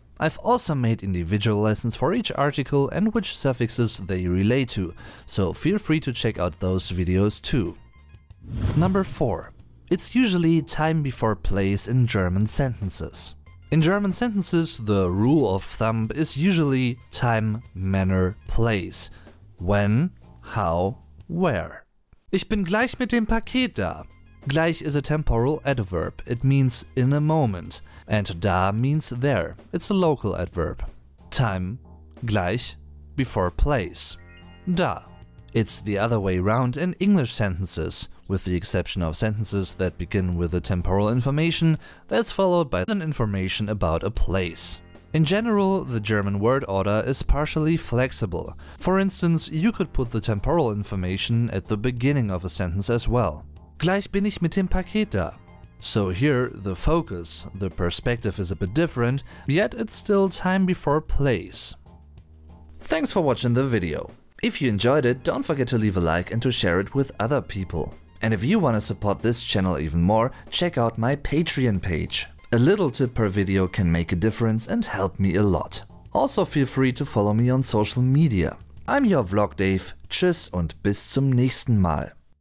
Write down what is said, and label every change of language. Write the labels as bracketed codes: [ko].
[en] I've also made individual lessons for each article and which suffixes they relate to, so feel free to check out those videos too. Number 4. It's usually time before place in German sentences. In German sentences, the rule of thumb is usually time, manner, place. When, how, where. [de] Ich bin gleich mit dem Paket da. [en] Gleich is a temporal adverb. It means in a moment. And da means there. It's a local adverb. Time, gleich, before place. Da. It's the other way around in English sentences, with the exception of sentences that begin with the temporal information that's followed by an information about a place. In general, the German word order is partially flexible. For instance, you could put the temporal information at the beginning of a sentence as well. [de] Gleich bin ich mit dem Paket da. [en] So here, the focus, the perspective is a bit different, yet it's still time before place. Thanks for watching the video. If you enjoyed it, don't forget to leave a like and to share it with other people. And if you want to support this channel even more, check out my Patreon page. A little tip per video can make a difference and help me a lot. Also feel free to follow me on social media. I'm your Vlog Dave. [de] Tschüss und bis zum nächsten Mal.